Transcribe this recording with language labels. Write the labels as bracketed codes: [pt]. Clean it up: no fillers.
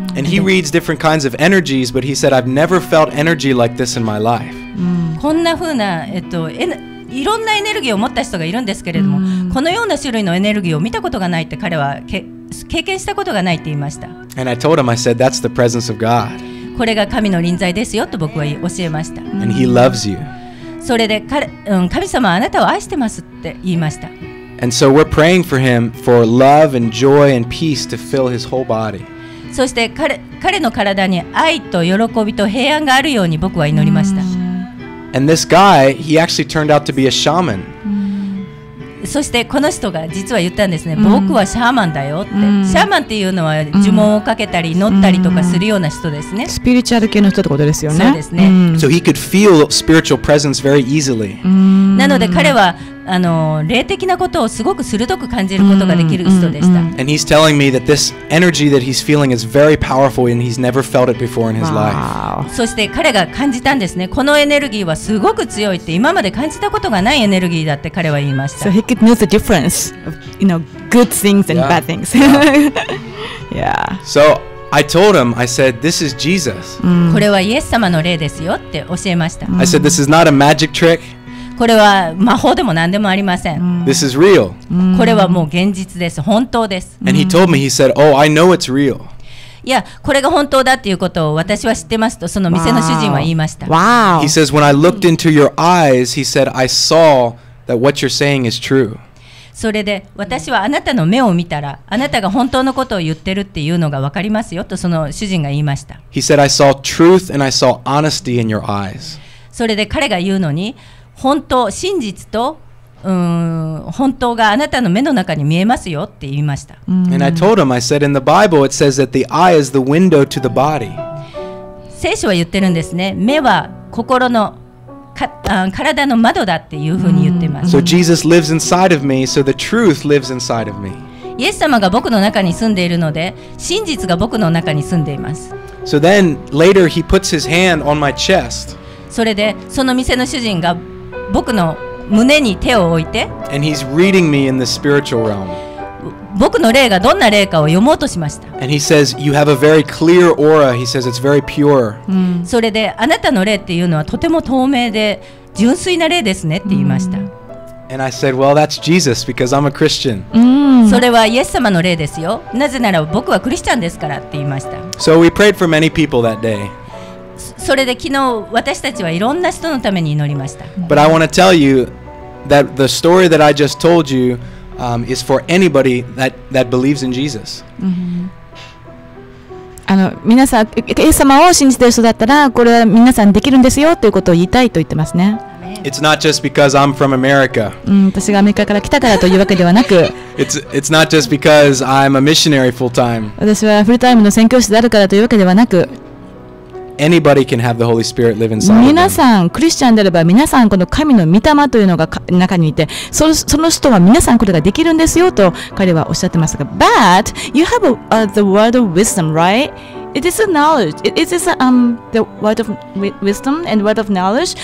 [en] And he reads different kinds of energies, but he said I've never felt energy like this in my life. [ja] こんな風な、いろんなエネルギーを持った人がいるんですけれども、このような種類のエネルギーを見たことがないって彼は経験したことがないって言いました。 [en] And I told him, I said, that's the presence of God. [ja] これが神の臨在ですよと僕は教えました。 [en] And he loves you. [ja] それで神様はあなたを愛してますって言いました。 [en] And so we're praying for him for love and joy and peace to fill his whole body. [ja] そして彼の体に愛と喜びと平安があるように僕は祈りました。 [en] And this guy, he actually turned out to be a shaman. [ja] そしてこの人が実は言ったんですね。僕はシャーマンだよって。シャーマンっていうのは呪文をかけたり祈ったりとかするような人ですね。スピリチュアル系の人ってことですよね。そうですね。 [en] So he could feel spiritual presence very easily. [ja] なので彼は霊的なことをすごく鋭く感じることができる人でした。 [en] And he's telling me that this energy that he's feeling is very powerful and he's never felt it before in his life. [ja] そして彼が感じたんですね。このエネルギーはすごく強いって今まで感じたことがないエネルギーだって彼は言いました。 [en] So he could know the difference of, you know, good things and bad things. Yeah. So I told him, I said, this is Jesus. [ja] これはイエス様の霊ですよって教えました。 [en] I said, this is not a magic trick. [ja] これは魔法でも何でもありません。 [en] This is real. [ja] これはもう現実です。本当です。 [en] And he told me, he said, oh, I know it's real. [ja] いや、これが本当だっていうことを私は知ってますと、その店の主人は言いました。 [en] Wow. He says, when I looked into your eyes, he said, I saw that what you're saying is true. [ja] それで私はあなたの目を見たら、あなたが本当のことを言ってるっていうのが分かりますよと、その主人が言いました。 [en] He said, I saw truth and I saw honesty in your eyes. [ja] それで彼が言うのに、本当、真実と本当があなたの目の中に見えますよって言いました。 [en] And I told him, I said, in the Bible, it says that the eye is the window to the body. [ja] 聖書は言ってるんですね。目は心の体の窓だっていうふうに言ってます。 [en] So Jesus lives inside of me, so the truth lives inside of me. [ja] イエス様が僕の中に住んでいるので、真実が僕の中に住んでいます。 [en] So then, later, he puts his hand on my chest. [ja] それで、その店の主人が僕の胸に手を置いて、 [en] And he's reading me in the spiritual realm. [ja] 僕の霊がどんな霊かを読もうとしました。 [en] And he says, you have a very clear aura. He says, it's very pure. [ja] それで、あなたの霊っていうのはとても透明で純粋な霊ですねって言いました。 [en] And I said, well, that's Jesus because I'm a Christian. [ja] それはイエス様の霊ですよ。なぜなら僕はクリスチャンですからって言いました。 [en] So we prayed for many people that day. [ja] それで昨日私たちはいろんな人のために祈りました。 [en] But I want to tell you that the story that I just told you, is for anybody that believes in Jesus. [ja] 皆さん、イエス様を信じている人だったら、これは皆さんできるんですよということを言いたいと言ってますね。 [en] It's not just because I'm from America. [ja] 私がアメリカから来たからというわけではなく、 [en] It's not just because I'm a missionary full time. [ja] 私はフルタイムの宣教師であるからというわけではなく、 [en] Anybody can have the Holy Spirit live inside of them. [ja] 皆さん、クリスチャンであれば、皆さん、この神の御霊というのが中にいて、その人は皆さんこれができるんですよと彼はおっしゃってますが、 [en] But you have the word of wisdom, right? It is a knowledge. It is the word of wisdom and word of knowledge.